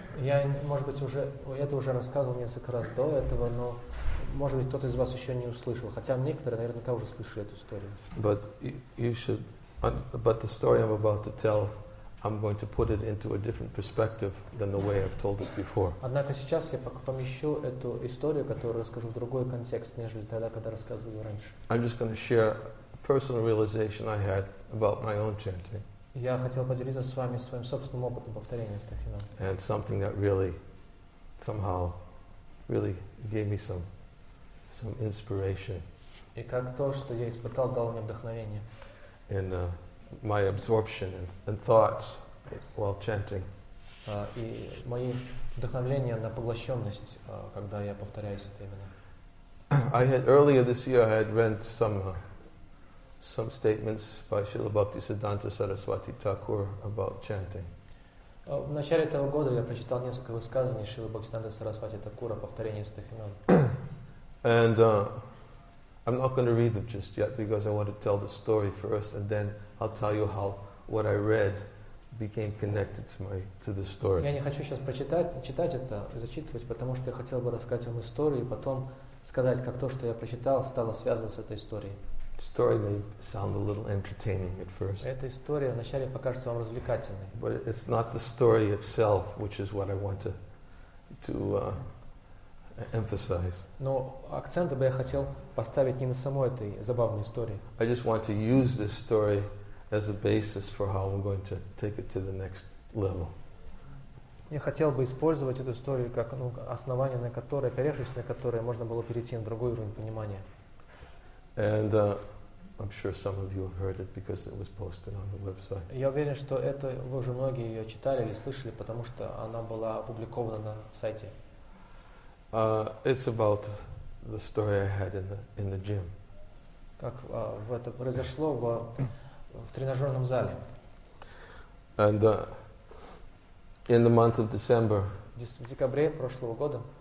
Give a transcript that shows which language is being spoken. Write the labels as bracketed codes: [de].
[ru] Я, может быть, уже это уже рассказывал несколько раз до этого, но может быть кто-то из вас еще не услышал, хотя некоторые наверняка уже слышали эту историю. [en] But you should. But the story I'm about to tell, I'm going to put it into a different perspective than the way I've told it before. [ru] Однако сейчас я помещу эту историю, которую расскажу, в другой контекст, нежели тогда, когда рассказывал ее раньше. [en] I'm just going to share a personal realization I had about my own chanting. [ru] Я хотел поделиться с вами своим собственным опытом повторения святых имен. [en] And something that really, somehow, really gave me some inspiration. [ru] И как то, что я испытал, дало мне вдохновение. [en] In my absorption and thoughts while chanting. [ru] И мои вдохновления на поглощенность, когда я повторяюсь это имя. [en] I had earlier this year I had read some statements by Śrīla Bhaktisiddhānta Saraswati Thakur about chanting. [ru] В начале этого года я прочитал несколько высказываний Śrīla Bhaktisiddhānta Saraswati Thakur о повторении святых имен. [en] And I'm not going to read them just yet because I want to tell the story first, and then I'll tell you how what I read became connected to the story. [ru] Я не хочу сейчас читать это, зачитывать, потому что я хотел бы рассказать вам историю и потом сказать, как то, что я прочитал, стало связано с этой историей. [en] Story may sound a little entertaining at first. [ru] Эта история вначале покажется вам развлекательной. [en] But it's not the story itself, which is what I want to emphasize. [ru] Но акцент бы я хотел поставить не на самой этой забавной истории. [en] I just want to use this story as a basis for how I'm going to take it to the next level. [ru] Я хотел бы использовать эту историю как основание, на которое, опершись на которое, можно было перейти на другой уровень понимания. [en] And I'm sure some of you have heard it because it was posted on the website. [ru] Я уверен, что это вы уже многие ее читали или слышали, потому что она была опубликована на сайте. [en] It's about the story I had in the gym. [ru] Как это произошло в тренажерном зале. [en] And in the month of December. [ru] В декабре прошлого года.